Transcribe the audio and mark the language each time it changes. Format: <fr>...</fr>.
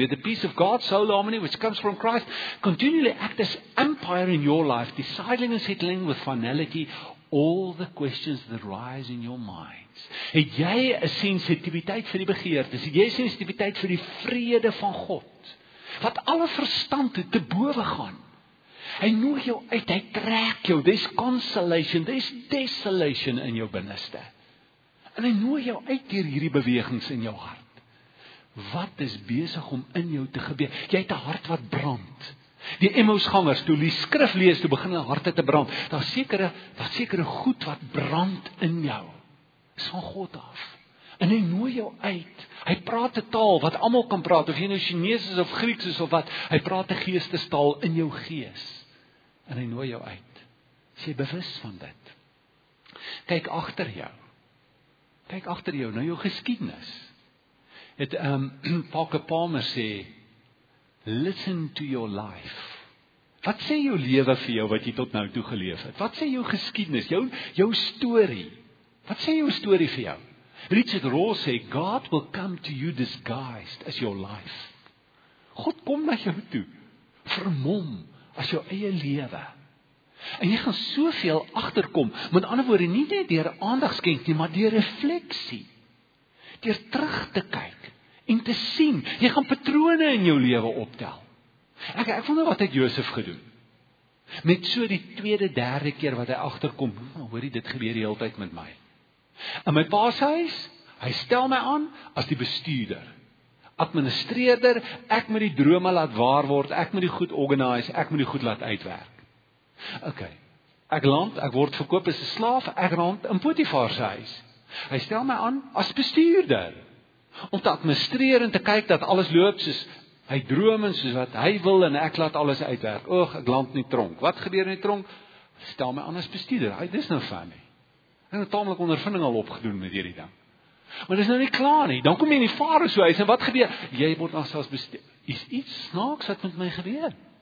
<en>May the peace of God, soul harmony which comes from Christ, continually act as empire in your life, deciding and settling with finality all the questions that rise in your minds.</en> <af>Het jy 'n sensitiviteit vir die begeertes? Het jy sensitiviteit vir die vrede van God? Wat alle verstand te bowe gaan. Hy nooi jou uit, hy trek jou,</af> <en>there's consolation, there's desolation</en> <af>in jou binneste. En hy nooi jou uit deur hierdie bewegings in jou hart. Wat is besig om in jou te gebeur? Jy het 'n hart wat brand. Die Emmausgangers, toe die skrif lees, toe begin hulle harte te brand. Daar's sekere goed wat brand in jou. Is van God af. En hy nooi jou uit. Hy praat 'n taal wat almal kan praat, of jy nou Chinees is of Grieks is of wat. Hy praat 'n geestestaal in jou gees. En hy nooi jou uit. Sê bewus van dit. Kyk agter jou. Kyk agter jou, na jou geskiedenis. Het Parker Palmer sê,</af> <en>listen to your life.</en> <af>Wat sê jou lewe vir jou wat jy tot nou toe geleef het? Wat sê jou geskiedenis, jou storie? Wat sê jou storie vir jou? Richard Rohr sê,</af> <en>God will come to you disguised as your life.</en> <af>God kom na jou toe, vermom as jou eie lewe. En jy gaan soveel agterkom, met ander woorde, nie net deur aandag skenk nie, maar deur refleksie. Deur terug te kyk en te sien, jy gaan patrone in jou lewe optel. Ek wonder wat het Josef gedoen? Met so die tweede, derde keer wat hy agterkom, hoorie, dit gebeur die hele tyd met my. In my pa se huis, hy stel my aan as die bestuurder, administreerder, ek moet die drome laat waar word, ek moet die goed organise, ek moet die goed laat uitwerk. OK. Ek land, ek word verkoop as 'n slaaf, ek rond in Potifar se huis. Hy stel my aan as bestuurder om te administreer en te kyk dat alles loop soos hy droom en soos wat hy wil en ek laat alles uitwerk. Oog, ek land in die tronk. Wat gebeur in die tronk? Stel my aan as bestuurder. Hy dis nou funny. En het tamelik ondervinding al opgedoen met hierdie ding. Maar dis nou nie klaar nie. Dan kom jy in die farao se huis en wat gebeur? Jy word dan selfs bestuur. Is iets snaaks wat met my gebeur?</af>